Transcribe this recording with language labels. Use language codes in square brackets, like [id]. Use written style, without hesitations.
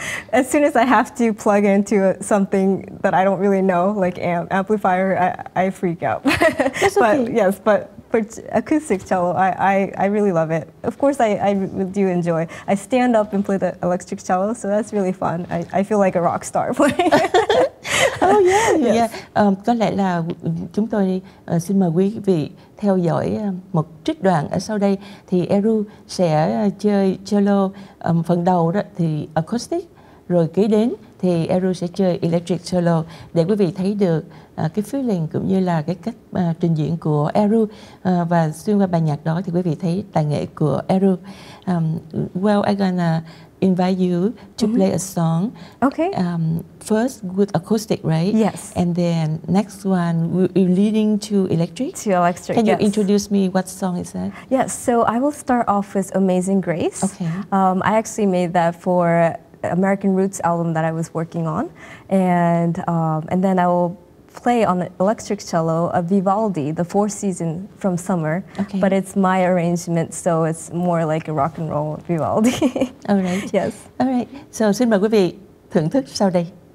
[en] As soon as I have to plug into something that I don't really know, like amplifier, I freak out. That's but okay. yes, but for acoustic cello, I really love it. Of course, I do enjoy. I stand up and play the electric cello, so that's really fun. I feel like a rock star playing. Oh yeah, yes. yeah. [vi] Có lẽ là chúng tôi xin mời quý vị theo dõi một trích đoạn ở sau đây, thì Eru sẽ chơi cello phần đầu đó thì acoustic. Rồi kế đến thì Eru sẽ chơi electric solo để quý vị thấy được cái feeling cũng như là cái cách trình diễn của Eru và xuyên qua bài nhạc đó thì quý vị thấy tài nghệ của Eru. [en] Well, I'm gonna invite you to play a song. Okay. First with acoustic, right? Yes. And then next one leading to electric. To electric. Can you introduce me what song is that? Yes. So I will start off with Amazing Grace. Okay. I actually made that for American Roots album that I was working on, and then I will play on the electric cello a Vivaldi, the Four Seasons from Summer, okay. But it's my arrangement, so it's more like a rock and roll Vivaldi. All right. Yes. All right. [vi] So, xin mời quý vị thưởng thức sau đây.